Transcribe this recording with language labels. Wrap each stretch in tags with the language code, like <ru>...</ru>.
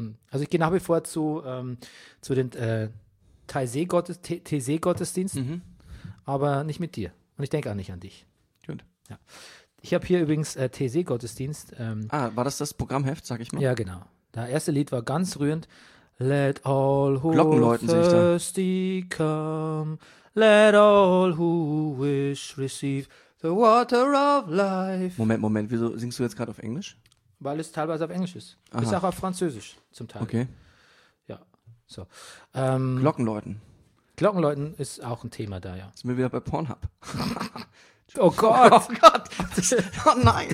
<de>Also ich gehe nach wie vor zu den Taizé-Gottesdiensten, aber nicht mit dir. Und ich denke auch nicht an dich. Gut. Ja. Ich habe hier übrigens Taizé-Gottesdienst. War das Programmheft, sag ich mal? Ja, genau. Das erste Lied war ganz rührend.</de> <en>Let all who thirsty come, let all who wish receive the water of life.</en> <de>Moment, wieso singst du jetzt gerade auf Englisch? Weil es teilweise auf Englisch ist. Aha. Ist auch auf Französisch zum Teil. Okay. Ja, so. Glockenläuten ist auch ein Thema da, ja. Sind wir wieder bei Pornhub? Oh Gott. Oh nein.</de>